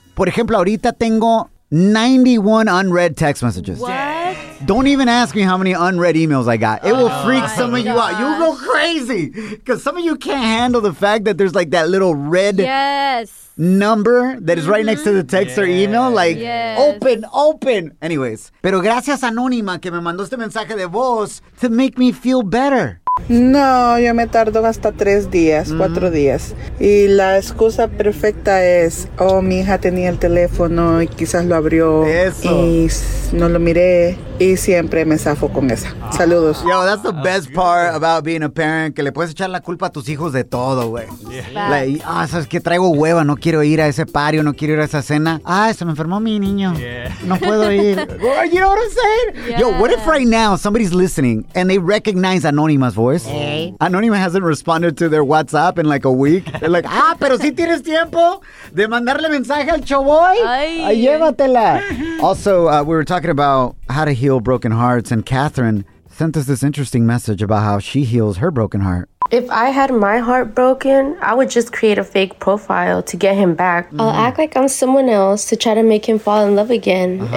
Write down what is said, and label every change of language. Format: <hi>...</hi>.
<es>Por ejemplo, ahorita tengo 91</es> <en>unread text messages. What? Don't even ask me how many unread emails I got. It will freak some of you out. You'll go crazy. Because some of you can't handle the fact that there's like that little red number that is right next to the text or email. Like, open. Anyways.</en> <es>Pero gracias, Anónima, que me mandó este mensaje de voz</es> <en>to make me feel better.</en> <es>No, yo me tardo hasta 3 días, 4 días. Y la excusa perfecta es, mi hija tenía el teléfono y quizás lo abrió y no lo miré. Y siempre me zafo con esa. Saludos. Yo,</es> <en>that's the best part about being a parent,</en> <es>que le puedes echar la culpa a tus hijos de todo, güey. Yeah. Like, sabes que traigo hueva, no quiero ir a ese party, no quiero ir a esa cena. Ay, se me enfermó mi niño. Yeah. No puedo ir.</es> <en>You know what I'm saying? Yeah. Yo, what if right now somebody's listening and they recognize Anonymous voice? Hey. Anonymous hasn't responded to their WhatsApp in like a week. They're like,</en> <es>pero sí tienes tiempo de mandarle mensaje al Choboy. Ay. Llévatela.</es> <en>Also, we were talking about how to heal broken hearts, and Catherine sent us this interesting message about how she heals her broken heart. If I had my heart broken, I would just create a fake profile to get him back. Mm-hmm. I'll act like I'm someone else to try to make him fall in love again. Uh-huh.</en>